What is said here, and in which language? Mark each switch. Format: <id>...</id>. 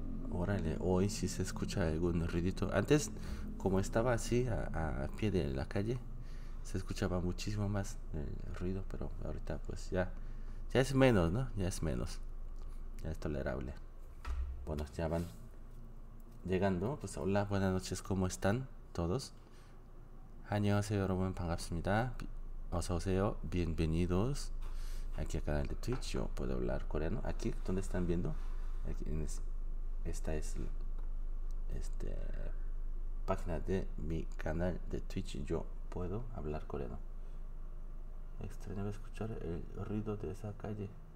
<es>Órale, hoy sí se escucha algún ruidito. Antes, como estaba así a pie de la calle, se escuchaba muchísimo más el ruido, pero ahorita pues ya es menos, ¿no? Ya es menos. Ya es tolerable. Bueno, ya van llegando. Pues hola, buenas noches, ¿cómo están todos?</es> <ko>안녕하세요, 여러분, 반갑습니다. 어서 오세요,</ko> <es>bienvenidos aquí al canal de Twitch. Yo puedo hablar coreano. Aquí, ¿dónde están viendo? Aquí en esta es este página de mi canal de Twitch. Yo puedo hablar coreano. Extrañaba escuchar el ruido de esa calle.</es>